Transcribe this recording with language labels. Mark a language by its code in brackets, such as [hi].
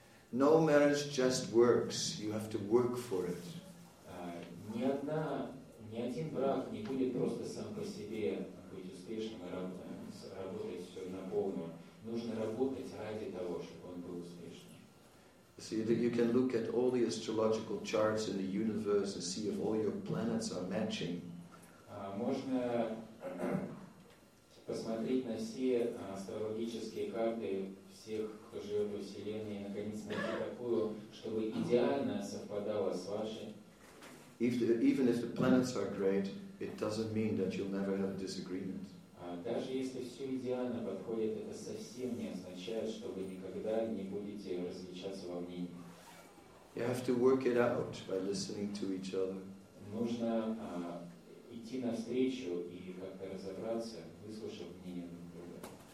[en] No marriage just works. You have to work for it. [ru] Ни один брак не будет просто сам по себе быть успешным и работать все на полную. Нужно работать ради того, чтобы он был успешным. [en] See that you can look at all the astrological charts in the universe and see if all your planets are matching. [ru] Можно посмотреть на все астрологические карты всех, кто живет во Вселенной, и наконец найти такую, чтобы идеально совпадало с вашей. [en] Even if the planets are great, it doesn't mean that you'll never have a disagreement. [ru] Даже если все идеально подходит, это совсем не означает, что вы никогда не будете различаться во мнении. [en] You have to work it out by listening to each other. [ru] Нужно идти навстречу и как-то разобраться, выслушав мнение друг друга.